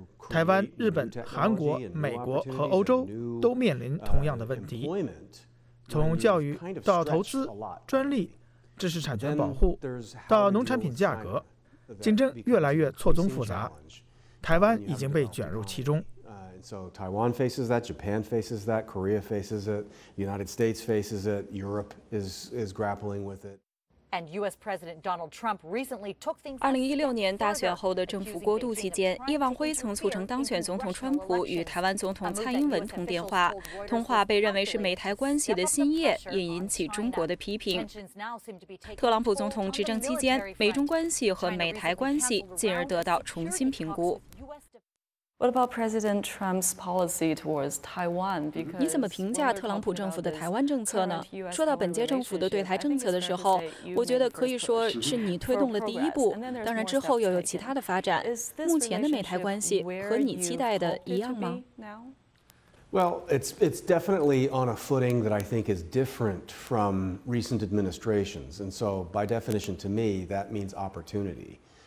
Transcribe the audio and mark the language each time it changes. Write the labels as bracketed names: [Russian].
[Chinese] 台湾、日本、韩国、美国和欧洲都面临同样的问题，从教育到投资、专利、知识产权保护到农产品价格，竞争越来越错综复杂，台湾已经被卷入其中。 [English] So Taiwan faces that, Japan faces that, Korea faces it, United States faces it, Europe is grappling with it. And U.S. President Donald Trump recently took things. [Chinese] 2016年大选后的政府过渡期间，叶望辉曾促成当选总统川普与台湾总统蔡英文通电话，通话被认为是美台关系的新页，也引起中国的批评。特朗普总统执政期间，美中关系和美台关系进而得到重新评估。 [English] What about President Trump's policy towards Taiwan? Because [Chinese] 你怎么评价特朗普政府的台湾政策呢？说到本届政府的对台政策的时候，我觉得可以说是你推动了第一步，当然之后又有其他的发展。目前的美台关系和你期待的一样吗？ [English] Well, it's definitely on a footing that I think is different from recent administrations, and so by definition, to me, that means opportunity.